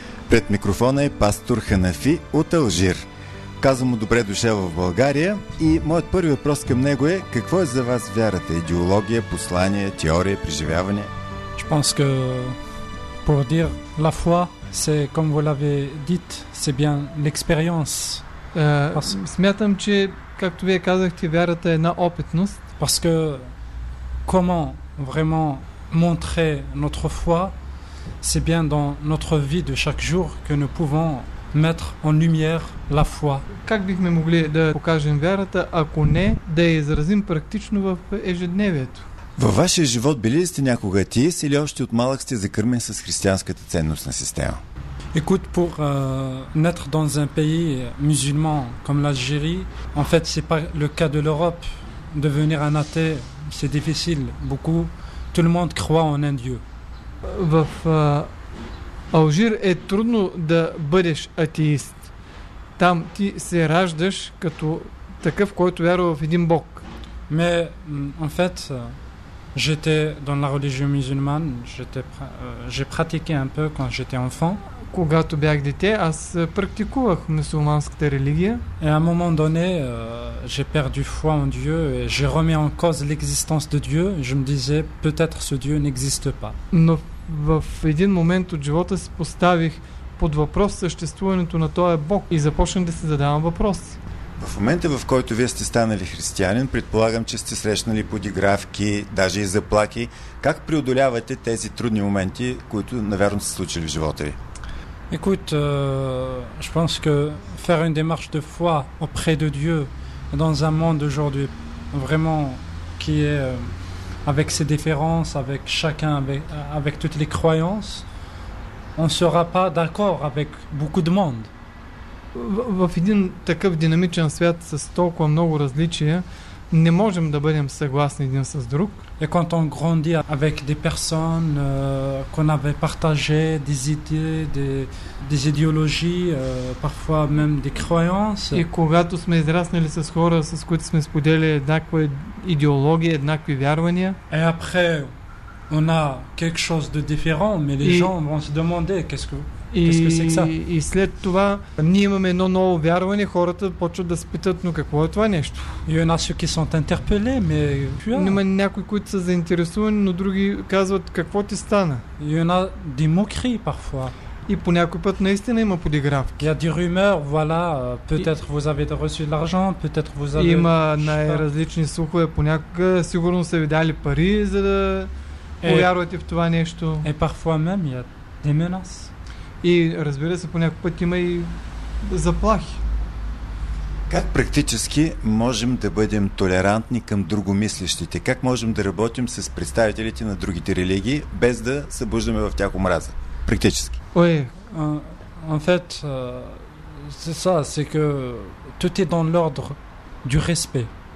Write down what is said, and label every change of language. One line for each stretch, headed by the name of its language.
Bulgarian: Пред микрофона е пастор Ханафи от Алжир. Казвам му добре дошъл в България и моят първи въпрос към него е: какво е за вас вярата? Идеология, послание, теория, преживяване?
French: Je pense que pour dire la foi, c'est comme vous l'avez dit, c'est bien l'expérience.
Bulgarian: Смятам, че както вие казахте, вярата е една опитност.
French: Parce que comment vraiment montrer notre foi, c'est bien dans notre vie de chaque jour que nous pouvons mettre en lumière la foi.
Bulgarian: Как бихме могли да покажем вярата, ако не да я изразим практично в ежедневието? Във вашия живот били ли сте някога атеист или още от малък сте закърмен с християнската ценностна система?
French: Écoute, pour naître dans un pays musulman comme l'Algérie, en fait, c'est pas le cas de l'Europe. Devenir un athée, c'est difficile. Beaucoup, tout le monde croit en un Dieu.
Bulgarian: В Алжир е трудно да бъдеш атеист. Там ти се раждаш като такъв, който вярва в един Бог.
French: Mais en fait, j'étais dans la religion musulmane, j'ai pratiqué un peu quand j'étais enfant.
Bulgarian: Когато бях дете, аз практикувах мюсюлманската религия.
French: Et à un moment donné, j'ai perdu foi en Dieu et j'ai remis en cause l'existence de Dieu. Je me disais peut-être ce Dieu n'existe pas.
Bulgarian: Но в един момент от живота си поставих под въпрос съществуването на този Бог и започнах да се задавам въпрос. В момента, в който вие сте станали християнин, предполагам, че сте срещнали подигравки, даже и заплаки. Как преодолявате тези трудни моменти, които навярно са случили в живота ви?
French: Écoute, je pense que faire une démarche de foi auprès de Dieu dans un monde aujourd'hui vraiment qui est avec ses différences, avec chacun, avec toutes les croyances, on ne sera pas d'accord avec beaucoup de monde.
Bulgarian: В един такъв динамичен свят с толкова много различия, не можем да бъдем съгласни един с друг.
French: Et quand on grandit avec des personnes qu'on avait partagé des idées, des idéologies, parfois même des croyances.
Bulgarian: И когато сме израснали с хора, с които сме споделили еднаква идеология, еднакви вярвания.
French: Et après, on a quelque chose de différent, mais les gens vont se demander qu'est-ce que c'est que ça?
Bulgarian: И след това ние имаме едно ново вярване, хората почват да се питат, но какво е това нещо?
French: Il y en a ceux qui sont interpellés, mais
Bulgarian: има някои, които са заинтересувани, но други казват, какво ти стана?
French: Il y en a des moqueries parfois.
Bulgarian: И по някой път наистина има подигравки.
French: Il y a des rumeurs, voilà, peut-être vous avez reçu de l'argent, peut-être vous avez...
Bulgarian: Има най-различни слухове, понякога сигурно са ви дали пари, за да повярвате в това нещо.
French: Et parfois même, il y a des menaces.
Bulgarian: И разбира се, по някакъв път има и заплахи. Как практически можем да бъдем толерантни към другомислещите? Как можем да работим с представителите на другите религии, без да събуждаме в тях омраза? Практически.
French: Ой, en fait, c'est ça, c'est que tout est dans l'ordre du respect.